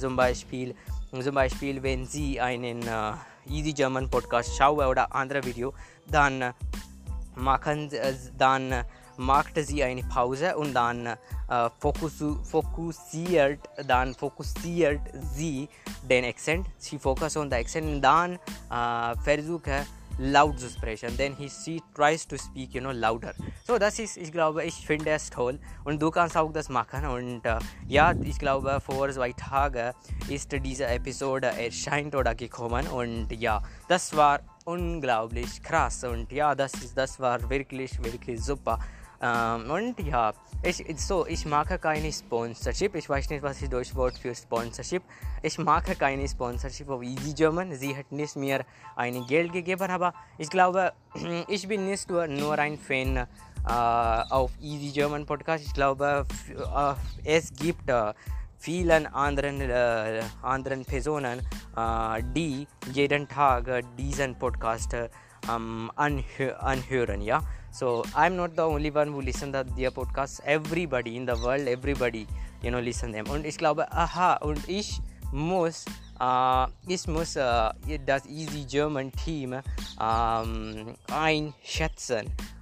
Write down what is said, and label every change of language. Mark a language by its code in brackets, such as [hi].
[de] Zum Beispiel, wenn sie einen Easy German Podcast schaue oder andere Video, dann macht sie eine Pause und dann fokussiert sie den Akzent. Sie [en] focus on the accent [de] und dann versucht laut zu sprechen. [en] Then she tries to speak, you know, louder. [de] So das ist, ich glaube, ich finde es toll. Und du kannst auch das machen. Und ja, ich glaube, vor zwei Tagen ist dieser Episode erscheint oder gekommen. Und ja, das war unglaublich krass. Und ja, das war wirklich, wirklich super. Und ja, ich mache keine Sponsorship. Ich weiß nicht, was ist das Wort für Sponsorship. Ich mache keine Sponsorship auf Easy German. Sie hat nicht mir ein Geld gegeben, aber ich glaube, ich bin nicht nur ein Fan auf Easy German Podcast. Ich glaube, es gibt vielen anderen Personen, die jeden Tag diesen Podcast anhören, ja. [en] So I'm not the only one who listen to their podcast. Everybody in the world, everybody, you know, listen them. [de] Und ich glaube, aha, und ich muss das Easy German Team einschätzen.